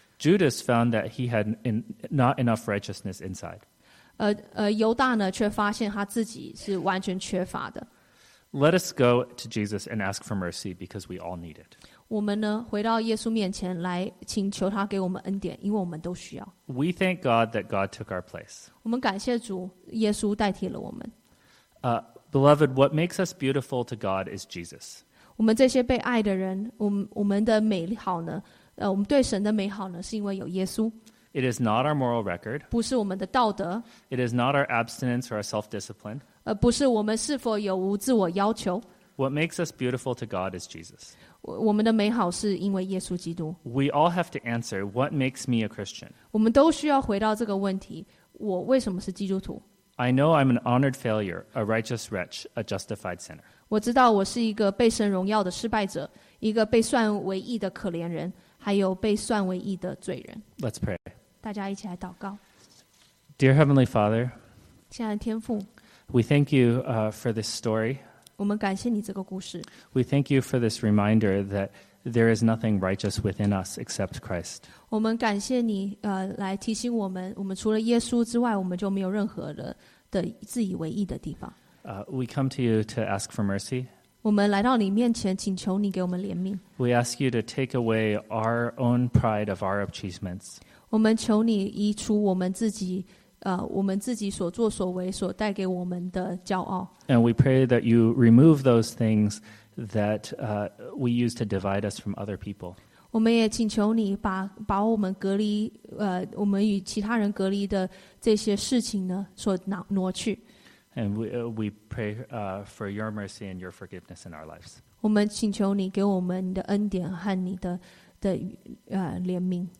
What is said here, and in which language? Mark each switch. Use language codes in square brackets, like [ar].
[en] Judas found that he had not enough righteousness inside. [zh] 犹大呢，却发现他自己是完全缺乏的。 [en] Let us go to Jesus and ask for mercy because we all need it. [zh] 我们呢，回到耶稣面前来请求他给我们恩典，因为我们都需要。 [en] We thank God that God took our place. [zh] 我们感谢主，耶稣代替了我们。 [en] Beloved, what makes us beautiful to God is Jesus. [zh] 我们这些被爱的人，我们的美好呢，我们对神的美好呢，是因为有耶稣。 [en] It is not our moral record. [zh] 不是我们的道德。 [en] It is not our abstinence or our self-discipline. [zh] 不是我们是否有无自我要求。 [en] What makes us beautiful to God is Jesus. [zh] 我们的美好是因为耶稣基督。 [en] We all have to answer, what makes me a Christian? [zh] 我们都需要回到这个问题，我为什么是基督徒？ [en] I know I'm an honored failure, a righteous wretch, a justified sinner. [zh] 我知道我是一个被神荣耀的失败者，一个被算为义的可怜人，还有被算为义的罪人。 [en] Let's pray. [zh] 大家一起来祷告。 [en] Dear Heavenly Father, [zh] 亲爱的天父， [en] we thank you for this story. [zh] 我们感谢你这个故事。 [en] We thank you for this reminder that there is nothing righteous within us except Christ. [zh] 我们感谢你来提醒我们，我们除了耶稣之外，我们就没有任何的自以为义的地方。 [en] We come to you to ask for mercy. [zh] 我们来到你面前，请求你给我们怜悯。 [en] We ask you to take away our own pride of our achievements. [zh] 我们求你移除我们自己所作所为所带给我们的骄傲。 [en] And we pray that you remove those things that we use to divide us from other people. [zh] 我们也请求你把我们隔离我们与其他人隔离的这些事情呢所挪去。 [en] And we pray for your mercy and your forgiveness in our lives. [zh] 我们请求你给我们的恩典和你的怜悯。